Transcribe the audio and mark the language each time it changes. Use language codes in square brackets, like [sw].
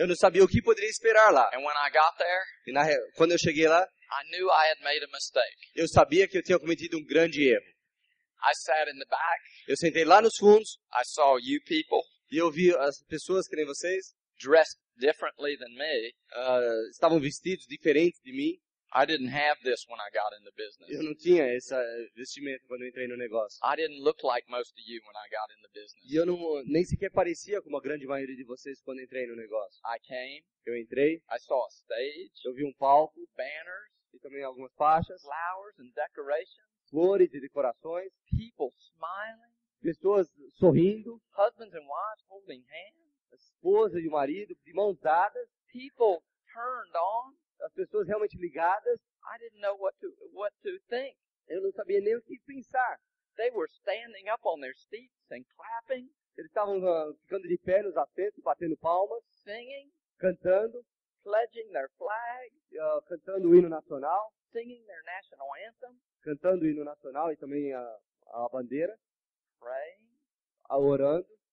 [pt] Eu não sabia o que poderia esperar lá. [en] And when I got there, [pt] e na quando eu cheguei lá, [en] I knew I had made a mistake. [pt] Eu sabia que eu tinha cometido um grande erro. [en] I sat in the back. [pt] Eu sentei lá nos fundos. [en] I saw you people. [pt] E eu vi as pessoas que nem vocês. [en] Dressed differently than me. [pt] Estavam vestidos diferente de mim. [en] I didn't have this when I got in the business. [pt] Eu não tinha esse vestimento quando eu entrei no negócio. [en] I didn't look like most of you when I got in the business. [pt] E eu não nem sequer parecia como a grande maioria de vocês quando eu entrei no negócio. [en] I came. [pt] Eu entrei. [en] I saw a stage. [pt] Eu vi um palco. [en] Banners. [pt] E também algumas faixas. [en] Flowers and decorations. [pt] Flores e decorações. [en] People smiling. [pt] Pessoas sorrindo. [en] Husbands and wives holding hands. [pt] A esposa e o marido de mãos dadas. [en] People turned on. [pt] As pessoas realmente ligadas. [en] I didn't know what to think. [pt] Eu não sabia nem o que pensar. [en] They were standing up on their seats and clapping. [pt] Eles estavam ficando de pé nos assentos, batendo palmas. [en] Singing. [pt] Cantando. [en] Pledging their flag. [pt] Cantando o hino nacional. [en] Singing their national anthem. [pt] Cantando o hino nacional e também a bandeira. [en] Praying. [pt] Orando.